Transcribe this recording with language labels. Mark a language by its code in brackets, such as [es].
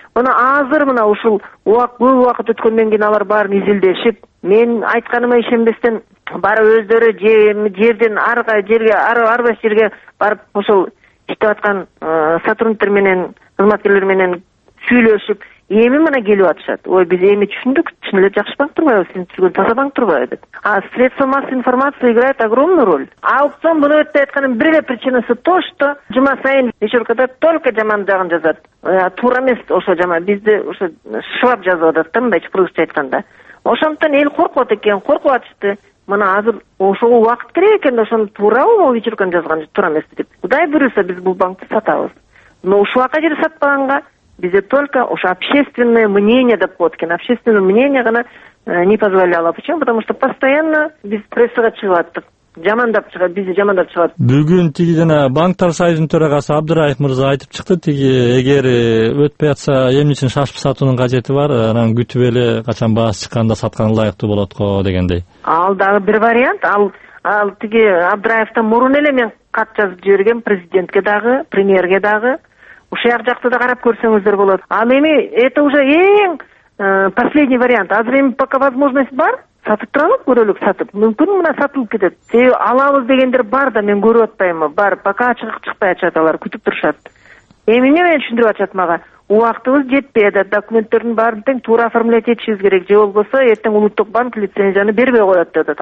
[ky] Мына азыр мына ушул көп убакыт өткөндөн кийин алар баарын изилдешип, мен айтканыма ишенбестен баары өздөрү жерден ар кайсы жерге барып ошол иштеп аткан сотрудниктер менен, кызматкерлер менен сүйлөшүп, эми мына келип атышат. Ой, биз эми түшүндүк, чын эле жакшы банк турбайбы, сиз түзгөн таза банк турбайбы деп. [ru] А средства массовой информации играет огромную роль. [ky] Аукцион буну өттү айтканын бир эле причинасы [ru] то, что [ky] жума сайын вечеркада только жаман жагын жазат. Туура эмес ошо жаман, бизди ошо шылап жазып атат да, мындайча кыргызча айтканда. Ошондуктан эл коркуп атат экен, коркуп атышты. Мына азыр ошого убакыт керек экен да, ошону туурабы могу вечеркада жазган туура эмес деп. Кудай буюрса биз бул банкты сатабыз. Но ушулака жерде сатпаганга бизде только ошо общественное мнение деп коет экен, общественное мнение гана [ru] не позволяло. Почему? Потому что [ky] постоянно биз прессага чыгып аттык, бизди жамандап чыгат. Бүгүн тиги жана банктар союзунун төрагасы Абдырайым мырза айтып чыкты, тиги эгер өтпөй атса эмне үчүн шашып сатуунун кажети бар, анан күтүп эле качан баасы чыкканда саткан ылайыктуу болот го дегендей. Ал дагы бир вариант, ал тиги Абдыраевтен мурун эле мен кат жазып жибергем президентке дагы, премьерге дагы. Ушул жак жакты да карап көрсөңүздөр болот. Ал эми [ru] это уже [ky] эң последний вариант. Азыр эми пока возможность бар, сатып туралы, көрөлүк сатып. Мүмкүн мына сатылып кетет. Себеби алабыз дегендер бар да, мен көрүп атпаймынбы? Бар, пока ачык чыкпай атышат алар, күтүп турушат. Эми эмне менен түшүндүрүп атышат мага? Убактыбыз жетпей атат, документтердин баарын тең туура оформлять этишибиз керек, же болбосо эртең улуттук банк лицензияны бербей коет деп атат.